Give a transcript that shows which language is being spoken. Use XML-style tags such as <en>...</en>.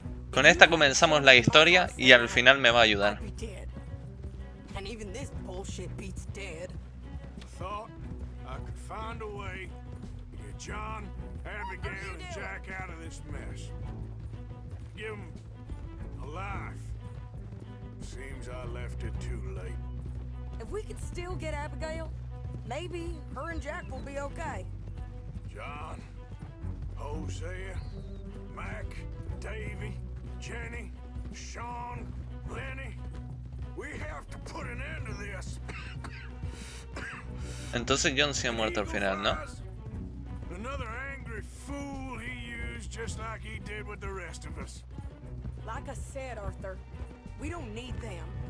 <es>Con esta comenzamos la historia y al final me va a ayudar.</es> <en>And even this bullshit beats dead. Thought I could find a way to get John, Abigail, and Jack out of this mess. Give them a life. Seems I left it too late. If we could still get Abigail, maybe her and Jack will be okay. John, Hosea, Mac, Davey, Jenny, Sean, Lenny. We have to put an end to this.</en> <es>Entonces John se ha muerto al final, ¿no?</es> <en>Another angry fool he used just like he did with the rest of us. Like I said, Arthur, we don't need them.</en>